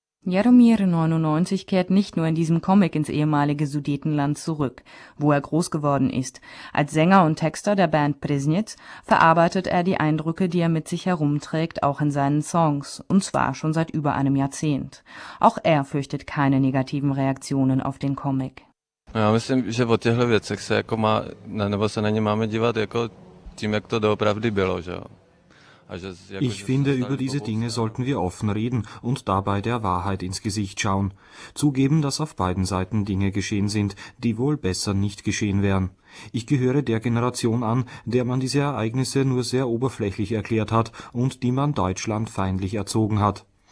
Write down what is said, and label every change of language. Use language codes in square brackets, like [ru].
[de] Jaromír 99 kehrt nicht nur in diesem Comic ins ehemalige Sudetenland zurück, wo er groß geworden ist. Als Sänger und Texter der Band Priznitz verarbeitet er die Eindrücke, die er mit sich herumträgt, auch in seinen Songs, und zwar schon seit über einem Jahrzehnt. Auch er fürchtet keine negativen Reaktionen auf den Comic. [cs] Ja, myslím, že o těchto věcech se jako má, ne, nebo se na ně máme dívat jako tím, jak to doopravdy bylo, že jo. [de] Ich finde, über diese Dinge sollten wir offen reden und dabei der Wahrheit ins Gesicht schauen. Zugeben, dass auf beiden Seiten Dinge geschehen sind, die wohl besser nicht geschehen wären. Ich gehöre der Generation an, der man diese Ereignisse nur sehr oberflächlich erklärt hat und die man Deutschland feindlich erzogen hat.